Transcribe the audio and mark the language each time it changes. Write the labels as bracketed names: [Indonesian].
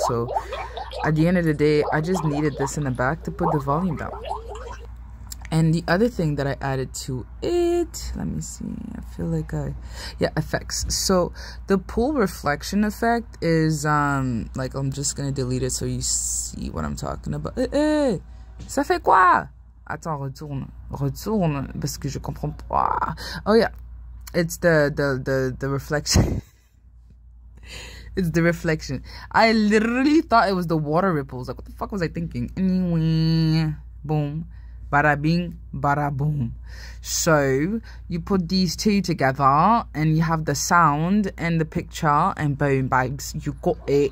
[English] So at the end of the day, I just needed this in the back to put the volume down. And the other thing that I added to it, let me see, I feel like I, yeah, effects. So the pool reflection effect is, like, I'm just going to delete it so you see what I'm talking about. [French] Hey, ça fait quoi? Attends, retourne, parce que je comprends pas. [English] Oh, yeah, it's the reflection. It's the reflection. I literally thought it was the water ripples. Like, what the fuck was I thinking? Anyway, boom. Bada bing, bada boom. So you put these two together and you have the sound and the picture and boom, babes. You got it.